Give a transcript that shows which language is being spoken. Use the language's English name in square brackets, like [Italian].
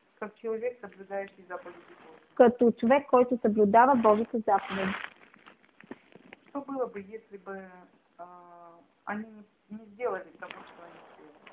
[Russian] Как человек, соблюдающий заповеди Божии. [Bulgarian] Като човек, който съблюдава Божите заповеди. [Russian] Что было бы, если бы они не сделали того, что они сделали?